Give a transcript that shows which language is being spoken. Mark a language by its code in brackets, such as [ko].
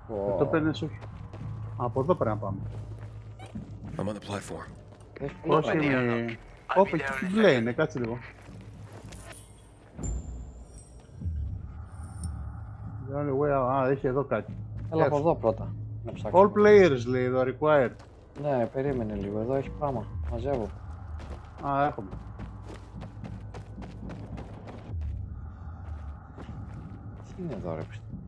[el] Δεν το παίρνες όχι. Από εδώ πρέπει να πάμε. [en] I'm on the platform. [el] Πώς είναι... Όπα εκεί τι μπλε είναι, κάτσε λίγο. [en] The only way out, [el] α, έχει εδώ κάτι. Έλα από εδώ πρώτα. [en] All players [el] λέει εδώ, [en] required. [el] Ναι, περίμενε λίγο, εδώ έχει πράγμα, μαζεύω. Α, έχουμε. Τι είναι εδώ ρε πιστεύω.